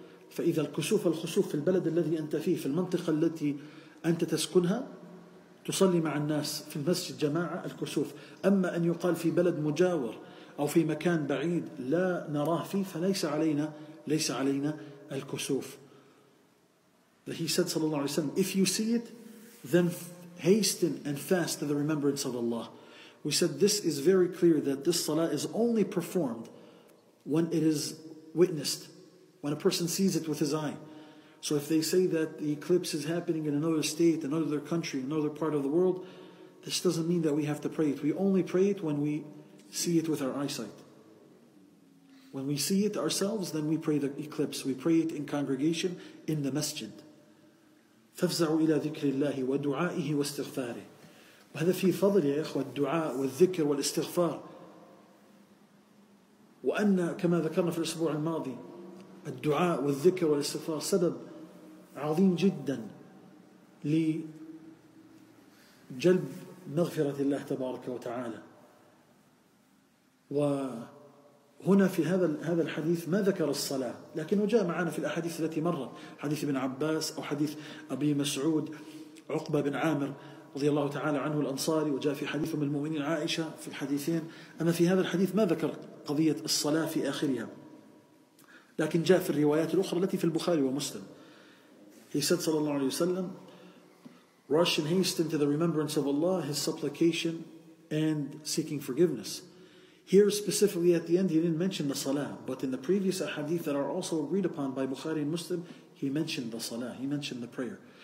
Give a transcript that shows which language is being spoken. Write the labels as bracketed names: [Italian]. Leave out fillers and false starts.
[Arabic] فإذا الكسوف والخسوف في البلد الذي أنت فيه, في المنطقة التي أنت تسكنها, تصلي مع الناس في المسجد جماعة الكسوف. أما أن يقال في بلد مجاور أو في مكان بعيد لا نراه فيه, فليس علينا, ليس علينا الكسوف. [English] He said صلى الله عليه وسلم, if you see it, then hasten and fast to the remembrance of Allah. We said this is very clear that this salah is only performed when it is witnessed, when a person sees it with his eye. So if they say that the eclipse is happening in another state, another country, another part of the world, this doesn't mean that we have to pray it. We only pray it when we see it with our eyesight. When we see it ourselves, then we pray the eclipse. We pray it in congregation, in the masjid. [Arabic] فَفْزَعُوا إِلَىٰ ذِكْرِ اللَّهِ وَدُعَائِهِ وَاسْتِغْفَارِهِ. وهذا في فضل يا إخوة الدعاء والذكر والاستغفار. وأن كما ذكرنا في الأسبوع الماضي الدعاء والذكر والاستغفار سبب عظيم جدا لجلب مغفرة الله تبارك وتعالى. وهنا في هذا الحديث ما ذكر الصلاة، لكن وجاء معنا في الأحاديث التي مرت، حديث ابن عباس أو حديث أبي مسعود عقبة بن عامر رضي الله تعالى عنه الأنصاري، وجاء في حديث أم المؤمنين عائشة في الحديثين. أما في هذا الحديث ما ذكر قضية الصلاة في آخرها، لكن جاء في الروايات الأخرى التي في البخاري ومسلم. [English] He said صلى الله عليه وسلم rush and hasten to the remembrance of Allah, his supplication and seeking forgiveness. Here specifically at the end he didn't mention the salah, but in the previous ahadith that are also agreed upon by Bukhari and Muslim, he mentioned the salah, he mentioned the prayer.